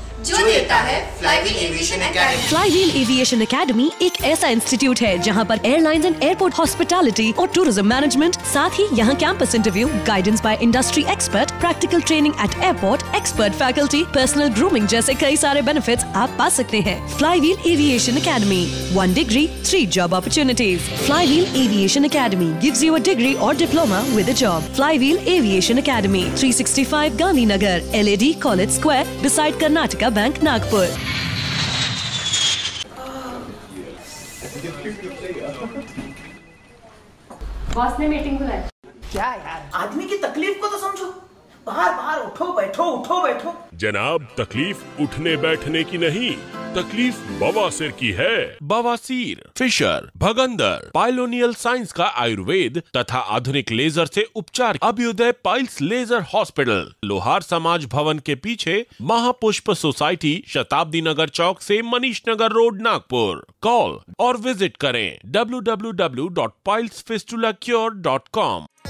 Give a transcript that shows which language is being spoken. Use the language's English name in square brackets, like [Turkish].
[Hindi] Flywheel Aviation Academy एक ऐसा institute है जहां पर एयरलाइंस एंड एयरपोर्ट हॉस्पिटैलिटी और टूरिज्म मैनेजमेंट, साथ ही यहां campus interview, [English] guidance by industry expert, practical training at airport, [Hindi] expert faculty, personal grooming जैसे कई सारे बेनिफिट्स आप पा सकते हैं। [English] Flywheel Aviation Academy, 1 degree, 3 job opportunities. Flywheel Aviation Academy gives you a degree or diploma with a job. Flywheel Aviation Academy, 365 Gandhinagar, LAD College Square, beside Karnataka Bank, Nagpur. [Hindi] Boss ने meeting बुलाई। क्या यार, आदमी की तकलीफ को तो समझो, बार बार उठो बैठो उठो बैठो। जनाब, तकलीफ उठने बैठने की नहीं, तकलीफ बवासीर की है। बवासीर, फिशर, भगंदर, पाइलोनियल साइंस का आयुर्वेद तथा आधुनिक लेजर से उपचार, अभ्युदय पाइल्स लेजर हॉस्पिटल, लोहार समाज भवन के पीछे, महापुष्प सोसाइटी, शताब्दी नगर चौक से मनीष नगर रोड, नागपुर। कॉल और विजिट करें www.pilesfistulacure.com।